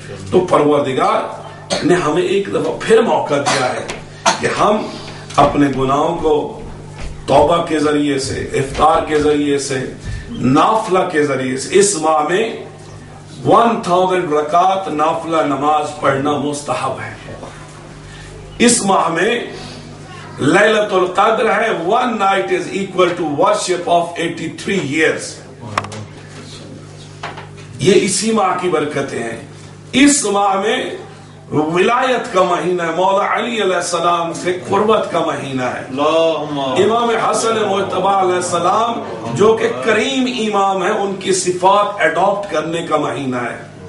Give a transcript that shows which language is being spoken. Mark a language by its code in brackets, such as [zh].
[ur] تو پروردگار نے ہمیں ایک دفعہ پھر موقع دیا ہے کہ ہم اپنے گناہوں کو توبہ کے ذریعے سے، افطار کے ذریعے سے، نافلہ کے ذریعے سے، اس ماہ میں 1000 رکعت نافلہ نماز پڑھنا مستحب ہے. اس ماہ میں لیلۃ القدر ہے، [en] 1 night is equal to worship of 83 years. [ur] یہ اسی ماہ کی برکتیں ہیں. اس ماہ میں ولایت کا مہینہ ہے، مولا علی علیہ السلام سے قربت کا مہینہ ہے. امام حسن مجتبی علیہ السلام جو کہ کریم امام ہے، ان کی صفات ایڈاپٹ کرنے کا مہینہ ہے.